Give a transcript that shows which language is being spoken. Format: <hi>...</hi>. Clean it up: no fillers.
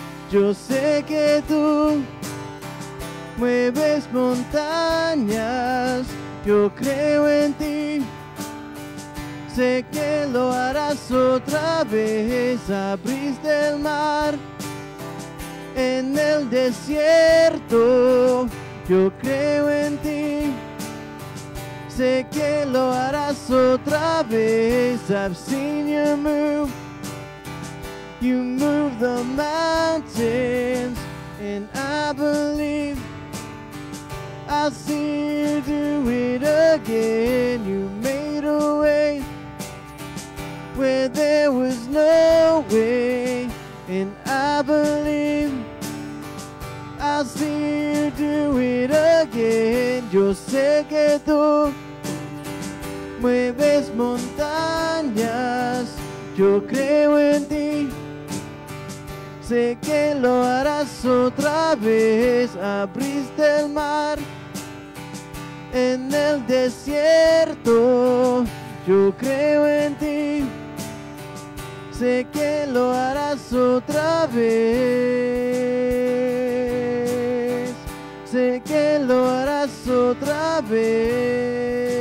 <es>Yo sé que tú mueves montañas, yo creo en ti, sé que lo harás otra vez. Abriste el mar en el desierto, yo creo en ti, sé que lo harás otra vez.</es> <en>I've seen you move, you move the mountains, and I believe I'll see you do it again. You made a way where there was no way, and I believe I'll see you do it again.</en> <es>Yo sé que tú mueves montañas, yo creo en ti, sé que lo harás otra vez. Abriste el mar en el desierto, yo creo en ti, sé que lo harás otra vez, sé que lo harás otra vez.</es>